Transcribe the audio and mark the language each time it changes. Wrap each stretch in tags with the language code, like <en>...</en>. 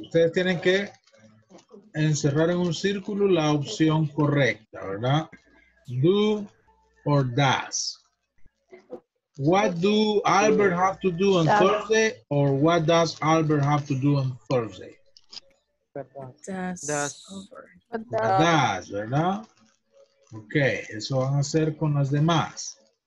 <es>Ustedes tienen que encerrar en un círculo la opción correcta, ¿verdad?</es> <en>Do or does. What do Albert have to do on Thursday, or what does Albert have to do on Thursday? Does,</en> <es>¿verdad? Ok, eso van a hacer con las demás.</es>